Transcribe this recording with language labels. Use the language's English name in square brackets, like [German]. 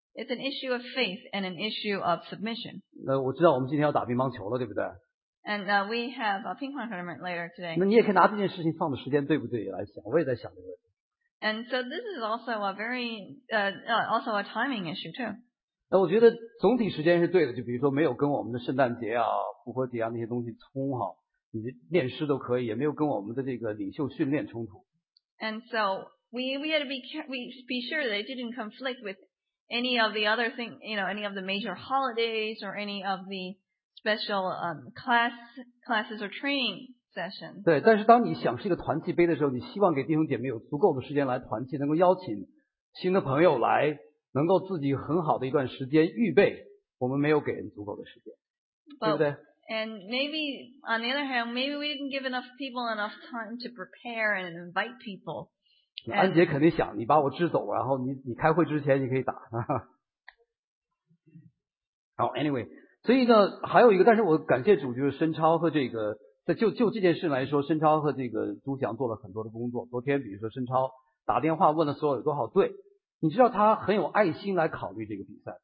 [English] It's an issue of faith and an issue of submission. [Chinese] 那我知道我们今天要打乒乓球了，对不对？ [English] And we have a ping pong tournament later today. [Chinese] 那你也可以拿这件事情放的时间对不对来想，我也在想这个问题。 [English] And so this is also a very also a timing issue too. [Chinese] 那我觉得总体时间是对的，就比如说没有跟我们的圣诞节啊、复活节啊那些东西冲哈，你练诗都可以，也没有跟我们的这个领袖训练冲突。 [English] And so we had to be sure that it didn't conflict with any of the other thing, you know, any of the major holidays or any of the special classes or training sessions. [Chinese] 对，但是当你想是一个团契杯的时候，你希望给弟兄姐妹有足够的时间来团契，能够邀请新的朋友来，能够自己很好的一段时间预备。我们没有给人足够的时间， [English] but, [Chinese] 对不对？ [English] And maybe on the other hand, maybe we didn't give enough people enough time to prepare and invite people. [Chinese] And, 安杰肯定想你把我支走，然后你开会之前你可以打。好 ，anyway， 所以呢，还有一个，但是我感谢主，就是申超和这个，就这件事来说，申超和这个朱翔做了很多的工作。昨天比如说申超打电话问了所有有多少队，你知道他很有爱心来考虑这个比赛。